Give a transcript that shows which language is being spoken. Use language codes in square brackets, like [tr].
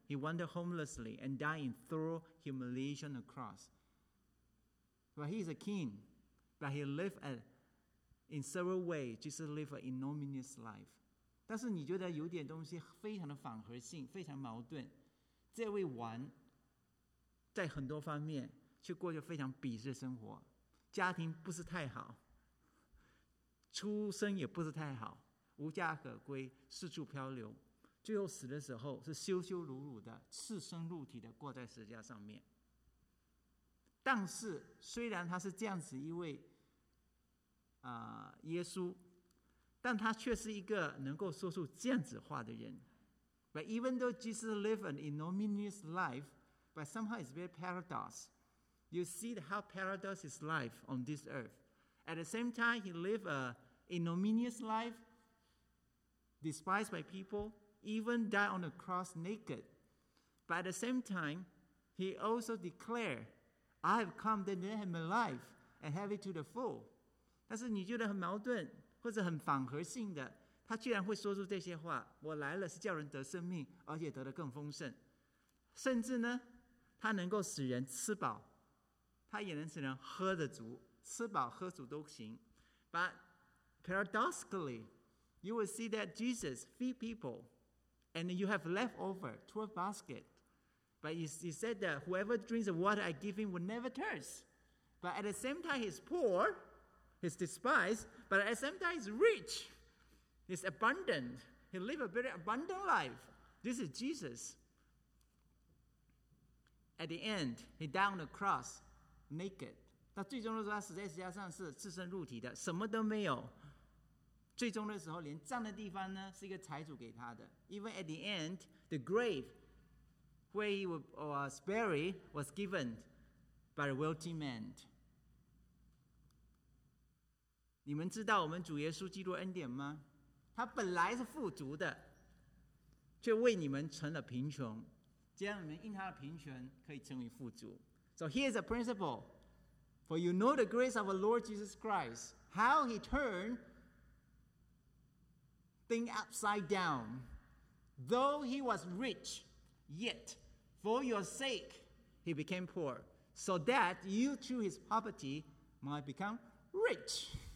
[en] He wandered homelessly and died in thorough humiliation on the cross. But he is a king, but he lived in several ways. Jesus lived an ignominious life. [zh] 但是你觉得有点东西非常的反合性，非常矛盾。这位王在很多方面却过着非常鄙视的生活，家庭不是太好，出身也不是太好，无家可归，四处漂流，最后死的时候是羞羞辱辱的，赤身露体的挂在十字架上面。但是虽然他是这样子一位耶稣，但他却是一个能够说出这样子话的人。 [en] But even though Jesus lived an ignominious life, but somehow it's very paradox. You see how paradox is life on this earth. At the same time, he lived an ignominious life, despised by people, even died on the cross naked. But at the same time, he also declared, I have come that they have my life and have it to the full. [zh] 但是你觉得很矛盾或者很反合性的，他居然会说出这些话，我来了是叫人得生命，而且得的更丰盛，甚至呢他能够使人吃饱，他也能使人喝得足，吃饱喝足都行。 [en] But paradoxically you will see that Jesus feed people and you have leftover 12 basket, but he said that whoever drinks the water I give him will never thirst, but at the same time he's poorHe's despised, but at the same time he's rich. He's abundant. He lived a very abundant life. This is Jesus. At the end, he died on the cross, naked. [zh] 他最终的时候，他死在十字架上是赤身露体的，什么都没有。最终的时候，连葬的地方呢，是一个财主给他的。 [en] Even at the end, the grave where he was buried was given by a wealthy man. [zh] 你们知道我们主耶稣基督恩典吗？他本来是富足的，却为你们成了贫穷，这样你们因他的贫穷可以成为富足。 [en] So here is a principle. For you know the grace of our Lord Jesus Christ, how he turned things upside down. Though he was rich, yet for your sake he became poor, so that you through his poverty might become rich.